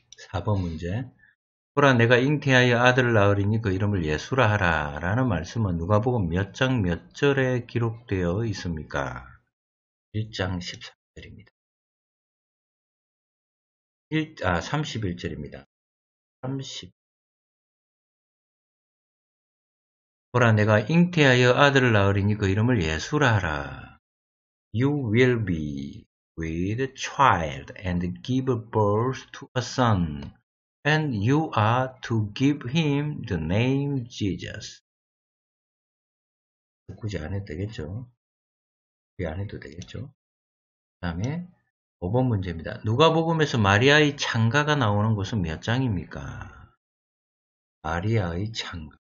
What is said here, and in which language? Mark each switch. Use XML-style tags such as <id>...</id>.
<ko>4번 문제 보라 내가 잉태하여 아들을 낳으리니 그 이름을 예수라 하라 라는 말씀은 누가복음 몇 장 몇 절에 기록되어 있습니까? 1장 13절입니다. 31절입니다. 30. 보라 내가 잉태하여 아들을 낳으리니 그 이름을 예수라 하라.</ko> <en>You will be with a child and give birth to a son. And you are to give him the name Jesus.</en> <ko>굳이 안 해도 되겠죠? 굳이 안 해도 되겠죠? 그 다음에 5번 문제입니다. 누가복음에서 마리아의 창가가 나오는 곳은 몇 장입니까? 마리아의 창가.</ko>